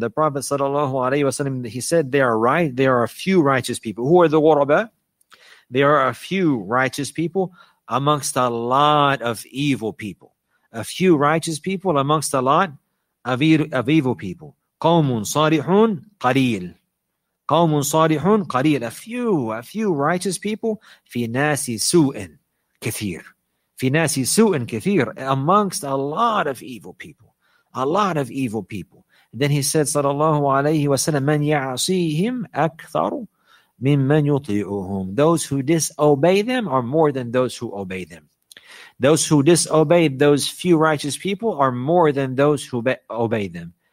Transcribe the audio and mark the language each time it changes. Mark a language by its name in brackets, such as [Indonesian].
[English] The Prophet sallallahu alayhi wa sallam, he said, they are right, there are a few righteous people. Who are the ghuraba? There are a few righteous people amongst a lot of evil people. A few righteous people amongst a lot of evil people. [Arabic] Qawmun salihun qareel. قَوْمٌ صَالِحُونَ قَلِيلٌ [English] A few righteous people [Arabic] فِي نَاسِ سُوءٍ كَثِيرٌ فِي نَاسِ سُوءٍ كَثِيرٌ [English] amongst a lot of evil people. A lot of evil people. And then he said, صلى الله عليه وسلم [Arabic] مَنْ يَعْصِيهِمْ أَكْثَرُ مِمَّنْ يُطِيعُهُمْ [English] Those who disobey them are more than those who obey them. Those who disobey those few righteous people are more than those who obey them.